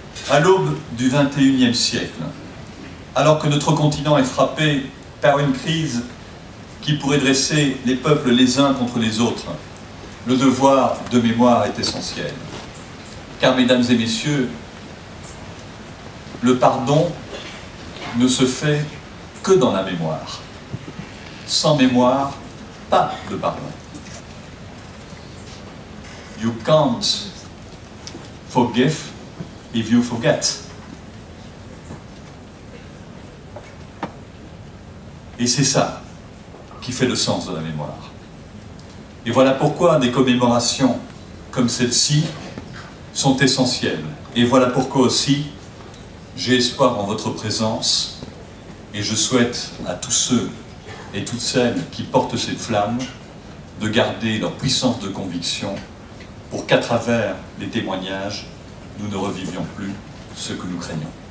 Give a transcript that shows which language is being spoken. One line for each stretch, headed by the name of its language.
French: À l'aube du XXIe siècle, alors que notre continent est frappé par une crise qui pourrait dresser les peuples les uns contre les autres, le devoir de mémoire est essentiel. Car, mesdames et messieurs, le pardon ne se fait que dans la mémoire. Sans mémoire, pas de pardon.
English: You can't forgive if you forget.
French: Et c'est ça qui fait le sens de la mémoire. Et voilà pourquoi des commémorations comme celle-ci sont essentielles. Et voilà pourquoi aussi j'ai espoir en votre présence et je souhaite à tous ceux et toutes celles qui portent cette flamme de garder leur puissance de conviction pour qu'à travers les témoignages, nous ne revivions plus ce que nous craignons.